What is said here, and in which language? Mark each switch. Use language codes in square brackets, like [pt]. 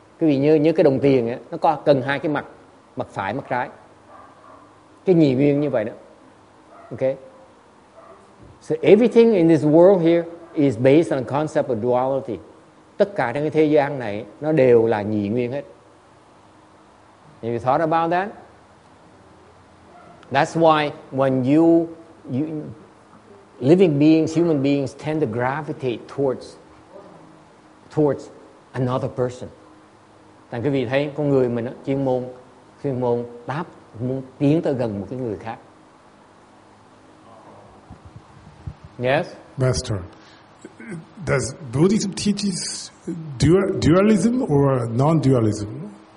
[vi] Quý vị nhớ cái đồng tiền ấy, nó có cần hai cái mặt, mặt phải, mặt trái. Cái nhị nguyên như vậy đó. [en] Okay? So everything in this world here is based on the concept of duality. [vi] Tất cả trong cái thế gian này nó đều là nhị nguyên hết. [en] Have you thought about that? That's why when you living beings, human beings tend to gravitate towards another person. [vi] Thành quý vị thấy con người mình chuyên môn đáp muốn tiến tới gần một cái người khác. [en] Yes, Master. Does Buddhism teaches dualism or non-dualism?